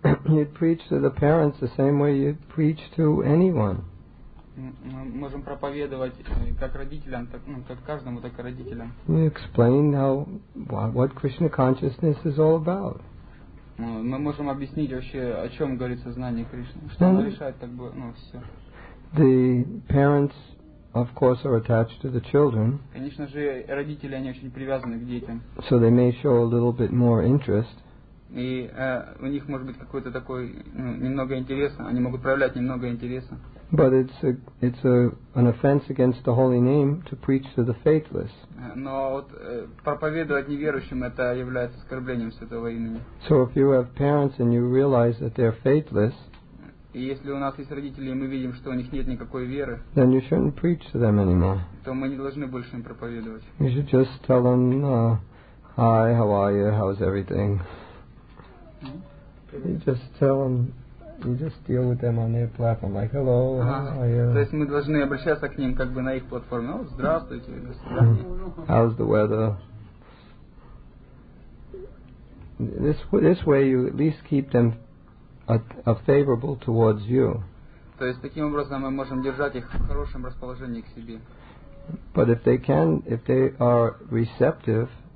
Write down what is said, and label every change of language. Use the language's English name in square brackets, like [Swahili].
[English] You preach to the parents the same way you preach to anyone. [Russian] мы можем проповедовать как родителям, так, ну, как каждому, так и родителям. [English] We explain how what Krishna consciousness is all about. [Russian] Мы можем объяснить вообще, о чем говорит сознание Кришны. Что оно решает, так бы, ну, все. [English] The parents, of course, are attached to the children. [Russian] Конечно же, родители, они очень привязаны к детям. [English] So they may show a little bit more interest. [Russian] И у них может быть какой-то такой, немного интереса, они могут проявлять немного интереса. [English] But it's an offense against the holy name to preach to the faithless. [Russian] Но вот проповедовать неверующим это является оскорблением святого имени. [English] So if you have parents and you realize that they're faithless, [Russian] и если у нас есть родители, и мы видим, что у них нет никакой веры, [English] then you shouldn't preach to them anymore. [Russian] То мы не должны больше им проповедовать. [English] You should just tell them, hi, how are you, how's everything? You just tell them. You just deal with them on their platform, like hello, how are you? [Russian] То есть мы должны обращаться к ним как бы на их платформе. [English] Oh, [Russian] здравствуйте, [English] how's the weather? This way you at least keep them a favorable towards you. [Russian] То есть таким образом мы можем держать их в хорошем расположении к себе. [English] But if they can, if they are receptive.